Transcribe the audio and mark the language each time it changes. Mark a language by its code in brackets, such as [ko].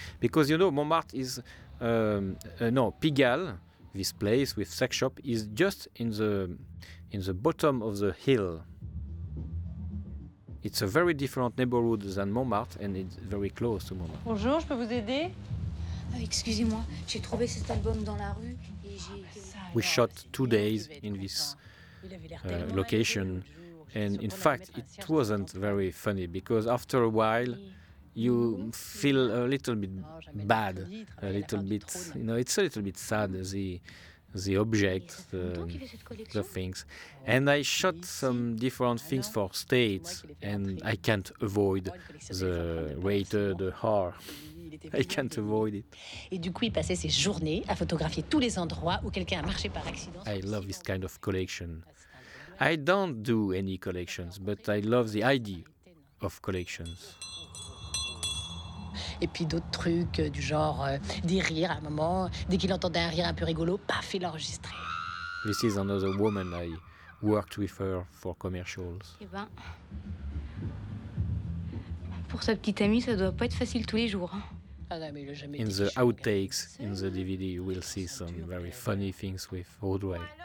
[en] Because you know, Montmartre is, Pigalle, this place with sex shop, is just in the bottom of the hill. It's a very different neighborhood than Montmartre and it's very close to Montmartre. [fr] Bonjour, je peux vous aider? Excusez-moi, j'ai trouvé cet album dans la rue. [en] We shot 2 days in this location. And in fact, it wasn't very funny because after a while, you feel a little bit bad, a little bit, you know, it's a little bit sad, the object, the things. And I shot some different things for States and I can't avoid the waiter, the horror. I can't avoid it. [fr] Et du coup, il passait ses journées à photographier tous les endroits où quelqu'un a marché par accident. [en] I love this kind of collection. I don't do any collections, but I love the idea of collections. [fr] Et puis d'autres trucs du genre des rires à un moment, dès qu'il entendait un rire un peu rigolo, paf, il l'enregistrait. [en] This is another woman I worked with her for commercials. [fr] Eh ben, pour sa petite amie, ça doit pas être facile tous les jours. [en] In the outtakes in the DVD, you will see some very funny things with Audrey.